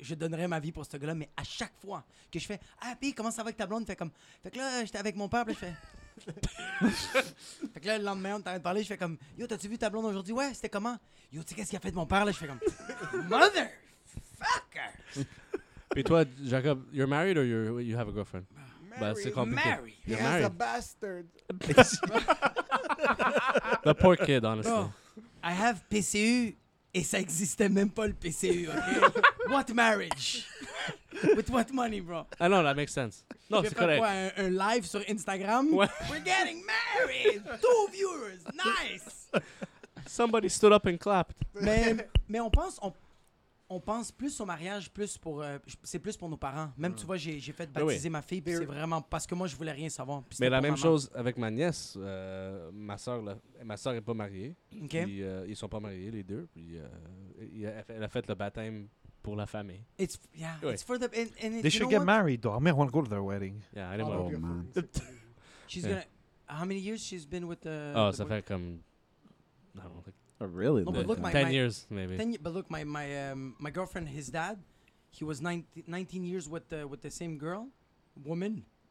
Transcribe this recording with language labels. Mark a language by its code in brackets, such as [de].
[fr] Je donnerais ma vie pour ce gars-là, mais à chaque fois que je fais « Ah, puis comment ça va avec ta blonde? » Fait comme « Fait que là, j'étais avec mon père, puis je fais... » Fait que là, le lendemain, on t'arrête de parler, je fais comme « Yo, t'as-tu vu ta blonde aujourd'hui? Ouais, c'était comment? Yo, tu sais qu'est-ce qu'il a fait de mon père, là? » Je fais comme « Motherfucker! » Puis toi, [en] Jacob, you're married or you have a girlfriend? Married. [fr] C'est compliqué. [en] Married. You're married. He's a bastard. The poor kid, honestly. Bro, I have PCU. [fr] Et ça existait même pas le PCU, OK? [en] What marriage? With what money, bro? I know, that makes sense. [fr] Non, c'est correct. Quoi, un live sur Instagram? [en] What? We're getting married! 2 viewers! Nice! Somebody stood up and clapped. [fr] Mais on pense... On, on pense plus au mariage, plus pour, c'est plus pour nos parents. Même, tu vois, j'ai fait baptiser ma fille, puis c'est vraiment parce que moi, je voulais rien savoir. Mais la même chose avec ma nièce. Ma soeur n'est pas mariée. Okay. Puis, ils ne sont pas mariés, les deux. Puis, elle a fait le baptême pour la famille. [en] It's, yeah, it's for the, and they should get married, though. I may want to go to their wedding. Yeah, I didn't want to go. She's how many years she's been with the... Oh, the [fr] ça boy? Fait comme... [en] I don't know, like, really? No, but look, years, maybe. But look, my girlfriend, his dad, he was 19 years with the same girl, woman.